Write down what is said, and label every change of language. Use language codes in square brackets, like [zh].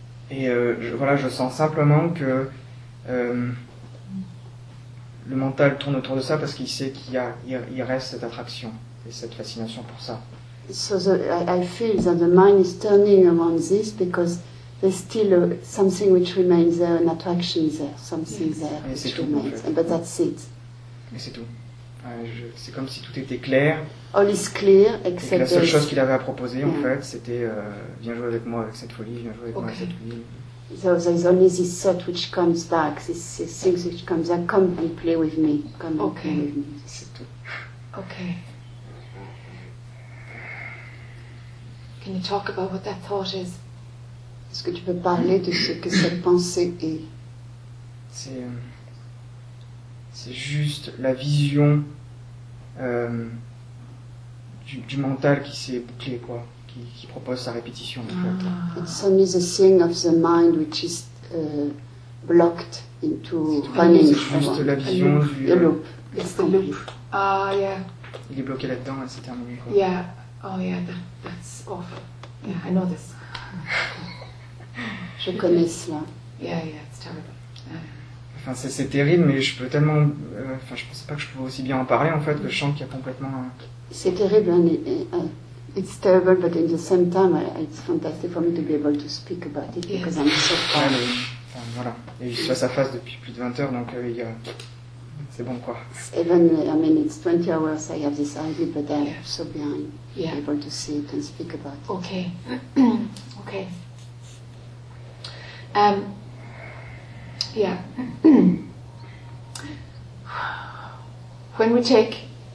[fr] Et je sens simplement que le mental tourne autour de ça parce qu'il sait qu'il reste cette attraction et cette fascination pour ça. [en] So I feel that the mind is turning around this because there's still something which remains there, an attraction there, something there [fr] et [en] which [fr] tout, [en] remains. [fr] En fait. [en] But that's it. [fr] Et c'est tout. C'est comme si tout était clair. [en] All is clear except [fr] et la seule chose qu'il avait à proposer en fait, c'était viens jouer avec moi avec cette folie, viens jouer avec moi avec cette folie. [en] So there's only this thought which comes back, this things which comes back, come and play with me, come and play with me. [fr] C'est tout. [en] Okay. Can you talk about what that thought is? [fr] Est-ce que tu peux parler de ce que cette pensée est? C'est juste la vision du mental qui s'est bouclé, quoi, qui propose sa répétition en fait. [en] It's only the thing of the mind which is blocked into running. [fr] C'est juste la vision du [en] the loop. It's the loop. Ah, yeah. [fr] Il est bloqué là-dedans et c'est terminé, quoi. [en] Yeah. Oh yeah, that's awful. Yeah, I know this. [fr] Je connais cela. [en] Yeah, yeah, it's terrible. [fr] Enfin, c'est terrible, mais je peux tellement. Enfin, je pensais pas que je pouvais aussi bien en parler en fait, que je sens qu'il y a complètement. C'est terrible, [en] it's terrible, but in the same time, it's fantastic for me to be able to speak about it because I'm so [fr] proud. Ah, enfin, voilà. Et il se passe à face depuis plus de 20 heures, donc il y a. C'est bon, quoi. [en] Even, I mean, it's 20 hours I have this idea, but I'm so behind. Yeah. I'm able to see it and speak about it. Okay. Okay. Yeah. When we take.